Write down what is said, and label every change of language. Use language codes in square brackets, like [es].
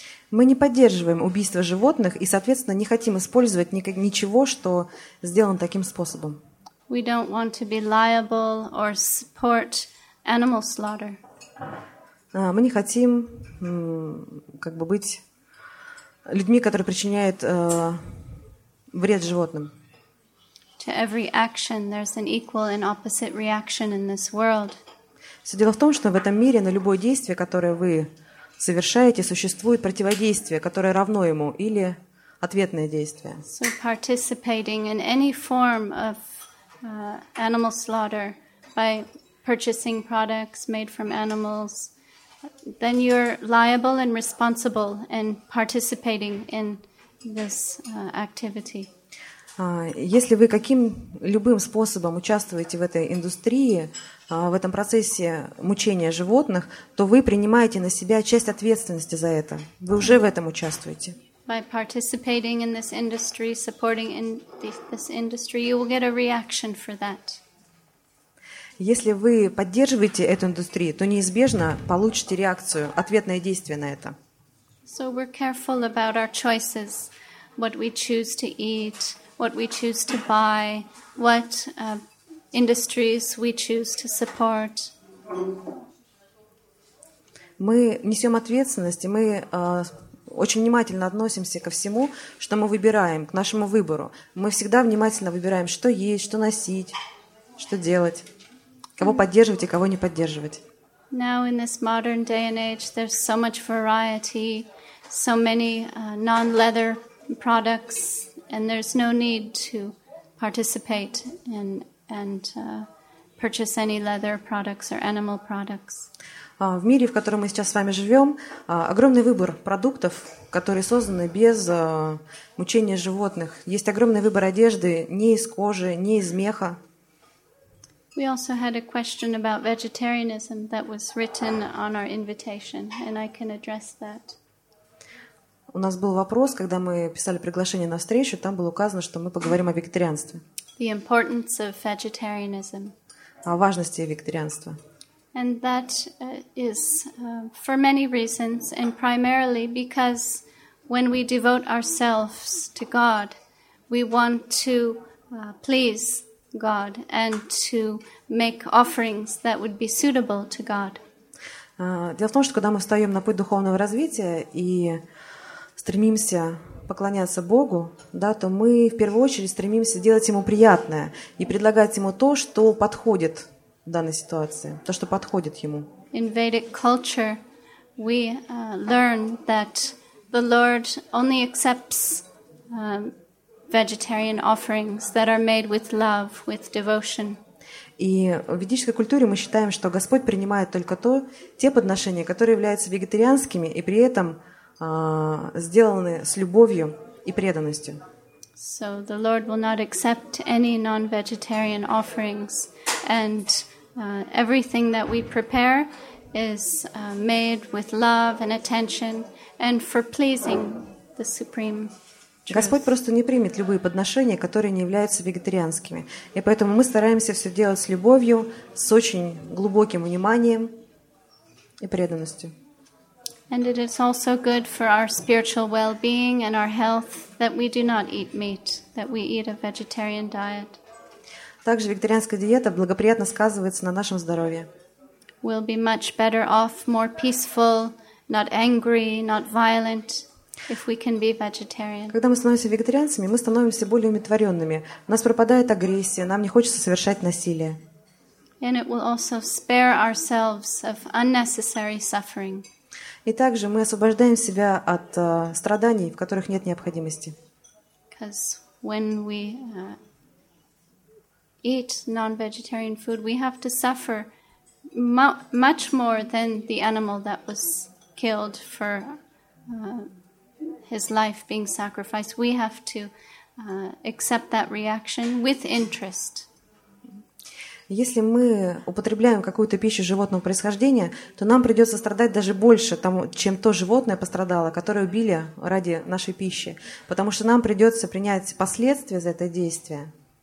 [ru] Мы не поддерживаем убийство животных и, соответственно, не хотим использовать ничего, что сделано таким способом. [en] We don't want to be liable or support animal slaughter. [ru] Мы не хотим как бы быть людьми, которые причиняют вред животным. [en] To every action there's an equal and opposite reaction in this world. [ru] Все дело в том, что в этом мире на любое действие, которое вы совершаете, существует противодействие, которое равно ему, или ответное действие. [en] So participating in any form of animal slaughter by purchasing products made from animals, then you're liable and responsible and participating in this activity. [ru] Если вы любым способом участвуете в этой индустрии, в этом процессе мучения животных, то вы принимаете на себя часть ответственности за это. Вы уже в этом участвуете. [en] By participating in this industry, supporting in this industry, you will get a reaction for that. [ru] Если вы поддерживаете эту индустрию, то неизбежно получите реакцию, ответное действие на это. [en] So we're careful about our choices, what we choose to eat, what we choose to buy, what industries we choose to support. [ru] Мы несем ответственность, и мы очень внимательно относимся ко всему, что мы выбираем, к нашему выбору. Мы всегда внимательно выбираем, что есть, что носить, что делать, кого поддерживать и кого не поддерживать. [en] Now in this modern day and age, there's so much variety, so many non-leather products, and there's no need to participate and purchase any leather products or animal products. [ru] В мире, в котором мы сейчас с вами живем, огромный выбор продуктов, которые созданы без мучения животных. Есть огромный выбор одежды не из кожи, не из меха. [en] We also had a question about vegetarianism that was written on our invitation, and I can address that. [ru] У нас был вопрос, когда мы писали приглашение на встречу, там было указано, что мы поговорим о вегетарианстве. [en] The importance of vegetarianism. [ru] О важности вегетарианства. [en] And that is for many reasons, and primarily because when we devote ourselves to God, we want to please God and to make offerings that would be suitable to God. [ru] Дело в том, что когда мы встаем на путь духовного развития и стремимся поклоняться Богу, да, то мы в первую очередь стремимся делать Ему приятное и предлагать Ему то, что подходит в данной ситуации, то, что подходит Ему. [en] In Vedic culture, we learn that the Lord only accepts vegetarian offerings that are made with love, with devotion. [ru] И в ведической культуре мы считаем, что Господь принимает только то, те подношения, которые являются вегетарианскими и при этом сделаны с любовью и преданностью. [en] So the Lord will not accept any non-vegetarian offerings, and everything that we prepare is made with love and attention and for pleasing the Supreme. [ru] Господь просто не примет любые подношения, которые не являются вегетарианскими. И поэтому мы стараемся все делать с любовью, с очень глубоким вниманием и преданностью. [en] And it is also good for our spiritual well-being and our health that we do not eat meat, that we eat a vegetarian diet. [ru] Также вегетарианская диета благоприятно сказывается на нашем здоровье. [en] We'll be much better off, more peaceful, not angry, not violent. If we can be vegetarian. [ru] Когда мы становимся вегетарианцами, мы становимся более умиротворенными. У нас пропадает агрессия, нам не хочется совершать насилие. [en] And it will also spare ourselves of unnecessary suffering. [ru] И также мы освобождаем себя от страданий, в которых нет необходимости. [en] Because when we eat non-vegetarian food, we have to suffer much more than the animal that was killed for his life being sacrificed. We have to accept that reaction with interest. [ru] Если мы употребляем какую-то пищу животного происхождения, то нам придется страдать даже больше, чем то животное пострадало, которое убили ради нашей пищи. Потому что нам придется принять последствия за это действие.